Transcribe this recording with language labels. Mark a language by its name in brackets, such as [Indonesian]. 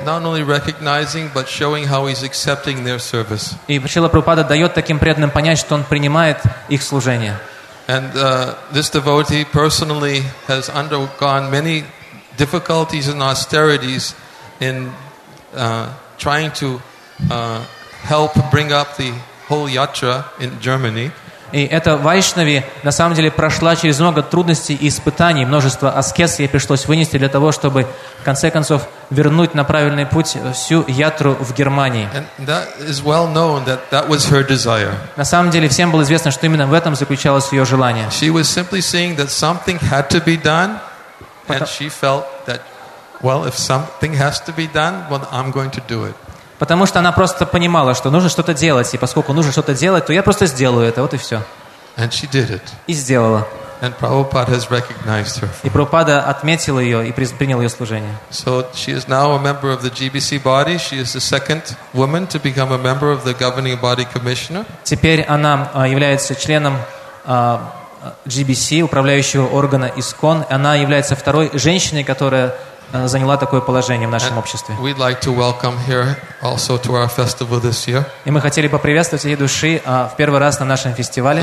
[English] Not only recognizing, but showing how he's accepting their service. [Russian] И Шрила Прабхупада дает таким преданным понять, что он принимает их служение. [English] And this devotee personally has undergone many difficulties and austerities in trying to help bring up the whole yatra in Germany. [Russian] И эта вайшнави на самом деле прошла через много трудностей и испытаний, множество аскез ей пришлось вынести для того, чтобы в конце концов вернуть на правильный путь всю ятру в Германии. [English] And that is well known that that was her desire. [Russian] На самом деле всем было известно, что именно в этом заключалось ее желание. [English] She was simply seeing that something had to be done, and she felt that, well, if something has to be done, well, I'm going to do it. [Russian] Потому что она просто понимала, что нужно что-то делать, и поскольку нужно что-то делать, то я просто сделаю это, вот и все. [English] And she did it. [Russian] И сделала. [English] And Prabhupada has recognized her. [Russian] И Прабхупада отметил ее и принял ее служение. [English] So she is now a member of the GBC body. She is the second woman to become a member of the governing body commissioner. [Russian] Теперь она является членом GBC, управляющего органа ИСККОН. Она является второй женщиной, которая заняла такое положение в нашем обществе. [English] We'd like to welcome her also to our festival this year. [Russian] И мы хотели поприветствовать ее души в первый раз на нашем фестивале.